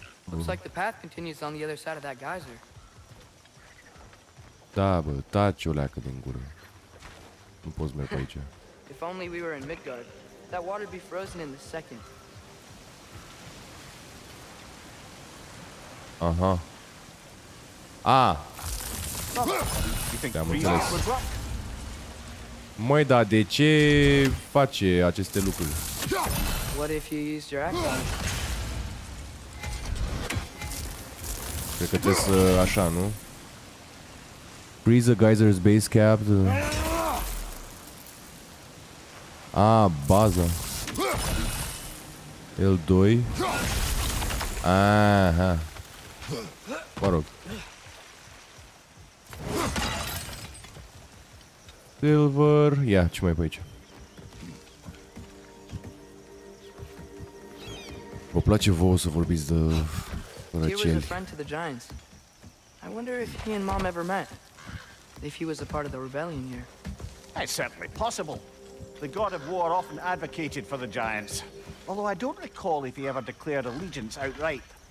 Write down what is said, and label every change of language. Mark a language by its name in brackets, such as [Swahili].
[English] Looks like the path continues on the other side of that geyser. [Romanian] Da, bă, taci o leacă din gură. Nu poți merge pe aici. [English] If only we were in Midgard, that water would be frozen in a second. [Romanian] Aha. Ah. Te-am înțeles. Măi, da, de ce face aceste lucruri? [English] What if you used your axe? [Romanian] Cred că trebuie să, așa, nu? [English] Freeze the geyser's base cap. [Romanian] A, baza. L2. Aha. Mă rog. Silver. Ia, ce mai e pe aici? Vă place vouă să vorbiți de răceli. [English] He was a friend to the giants. I wonder if he and Mom ever met. If he was a part of the rebellion here. It's certainly possible. The god of war often advocated for the giants. Although I don't recall if he ever declared allegiance outright.